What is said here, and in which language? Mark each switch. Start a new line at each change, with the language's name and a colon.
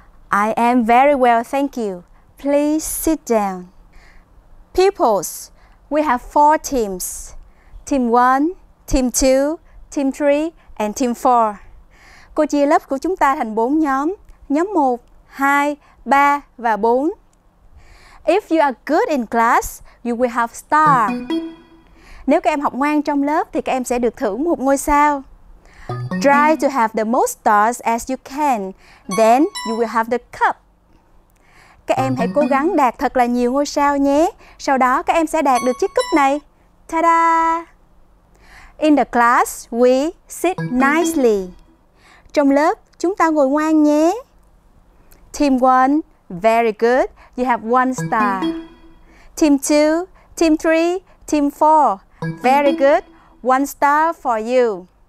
English: I am very well, thank you. Please sit down. Pupils, we have four teams. Team 1, Team 2, Team 3, and Team 4.
Vietnamese: Cô chia lớp của chúng ta thành 4 nhóm. Nhóm 1, 2, 3 và 4.
English: If you are good in class, you will have star.
Vietnamese: Nếu các em học ngoan trong lớp thì các em sẽ được thưởng một ngôi sao.
English: Try to have the most stars as you can, then you will have the cup.
Vietnamese: Các em hãy cố gắng đạt thật là nhiều ngôi sao nhé, sau đó các em sẽ đạt được chiếc cúp này. Ta-da!
English: In the class, we sit nicely.
Vietnamese: Trong lớp, chúng ta ngồi ngoan nhé.
English: Team 1, very good, you have 1 star. Team 2, Team 3, Team 4, very good, 1 star for you.